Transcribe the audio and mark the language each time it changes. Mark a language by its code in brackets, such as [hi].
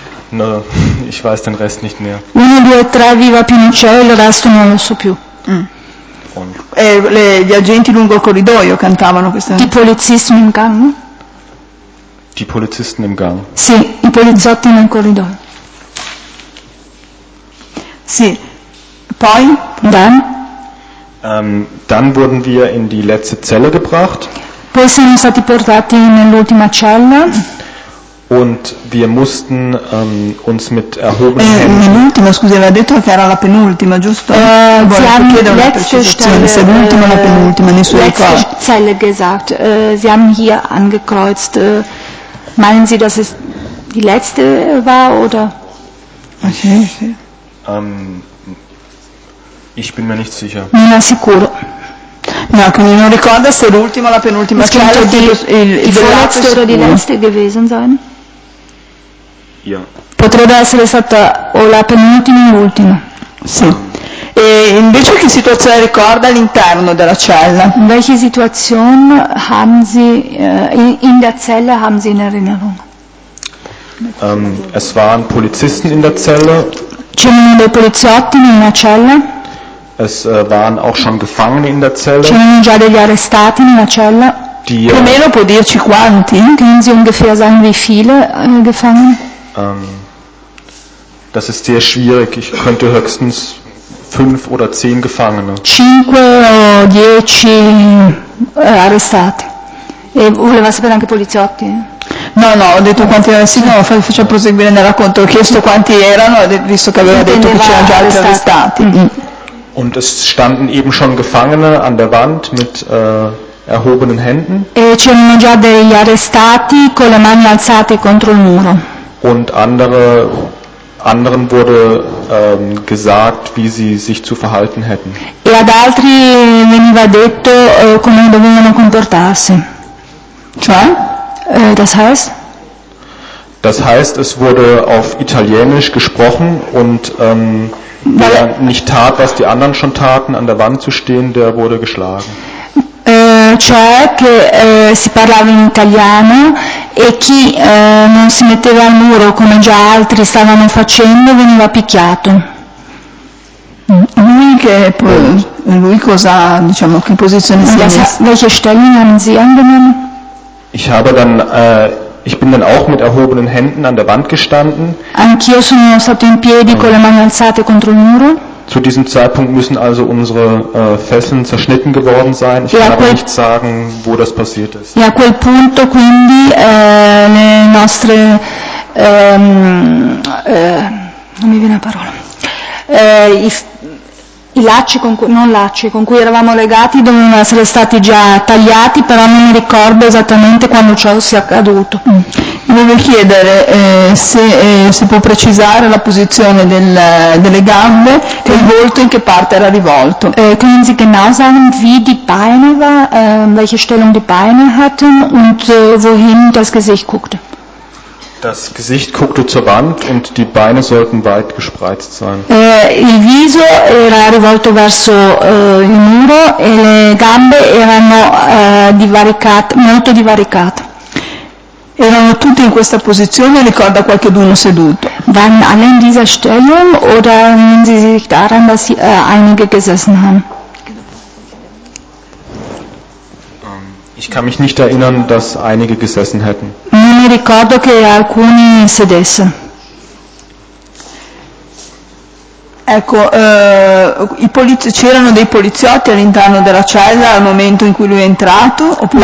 [de] No, ich weiß den Rest nicht mehr. [it] Uno, due, tre, vive Pinochet, il resto non lo so più. Gli agenti lungo il corridoio cantavano questa canzone. [de] Die Polizisten im Gang? Die Polizisten im Gang. [it] Sì, i poliziotti nel corridoio. Sì. Poi? [de] Dann? Dann wurden wir in die letzte Zelle gebracht. [it] Poi siamo stati portati nell'ultima cella. [de] Und wir mussten uns mit erhobenen Händen... [it] L'ultima, scusi, aveva detto che era la penultima, giusto? [de] Sie haben die letzte Stelle, [it] se l'ultima o la penultima, nei suoi ricordi. [de] Letzte Zelle gesagt. Sie haben hier angekreuzt. Meinen Sie, dass es die letzte war, oder? Okay. Ich bin mir nicht sicher. [it] Non è sicuro. No, quindi non ricorda se l'ultima o la penultima cella è [de] il letzte gewesen sein. Ja. [it] Potrebbe essere stata o la penultima o l'ultima. Sì. E invece che situazione ricorda all'interno della cella? [de] In welche Situation haben Sie in der Zelle haben Sie in Erinnerung? Es waren Polizisten in der Zelle. [it] C'erano dei poliziotti in una cella. [de] Es waren auch schon Gefangene in der Zelle. [it] C'erano già degli arrestati in una cella. Più o meno può dirci quanti? [de] Können Sie ungefähr sagen, wie viele gefangen? Das ist sehr schwierig. Ich könnte höchstens 5 oder 10 Gefangene. [it] 5 o 10 arrestati. E voleva sapere anche poliziotti? No, ho detto quanti erano. Sì, no, faccio proseguire nel racconto. Ho chiesto quanti erano, visto che aveva detto che c'erano già altri arrestati. [de] Und es standen eben schon Gefangene an der Wand mit erhobenen Händen. [it] E c'erano già degli arrestati con le mani alzate contro il muro. [de] Und anderen wurde gesagt, wie sie sich zu verhalten hätten. [it] E ad altri veniva detto come dovevano comportarsi. Cioè? [de] Das heißt? Das heißt, es wurde auf Italienisch gesprochen und wer nicht tat, was die anderen schon taten, an der Wand zu stehen, der wurde geschlagen. [it] Cioè che si parlava in italiano e chi non si metteva al muro come già altri stavano facendo veniva picchiato. Lui che lui cosa, diciamo, che posizione si ha? [de] Welche Stellung haben Sie angenommen? Ich habe dann ich bin dann auch mit erhobenen Händen an der Wand gestanden. [it] Anch'io sono stato in piedi con le mani alzate contro il muro. [de] Zu diesem Zeitpunkt müssen also unsere Fesseln zerschnitten geworden sein. Ich kann aber nicht sagen, wo das passiert ist. [it] E a quel punto quindi le nostre non mi viene la parola. I lacci con cui, non lacci, con cui eravamo legati dovevano essere stati già tagliati, però non mi ricordo esattamente quando ciò sia accaduto. Volevo chiedere se può precisare la posizione delle gambe e il volto in che parte era rivolto. [de] Können Sie genau sagen, wie die Beine war, welche Stellung die Beine hatten und wohin das Gesicht guckte? Das Gesicht guckte zur Wand und die Beine sollten weit gespreizt sein. [it] Il viso era rivolto verso il muro e le gambe erano divaricate, molto divaricate. Erano tutti in questa posizione, ricorda qualcheduno seduto. [de] Waren alle in dieser Stellung oder erinnern Sie sich daran, dass sie, einige gesessen haben? Ich kann mich nicht erinnern, dass einige gesessen hätten. [it] Non mi ricordo che alcuni sedessero. Ecco, c'erano dei poliziotti all'interno della cella al momento in cui lui è entrato, oppure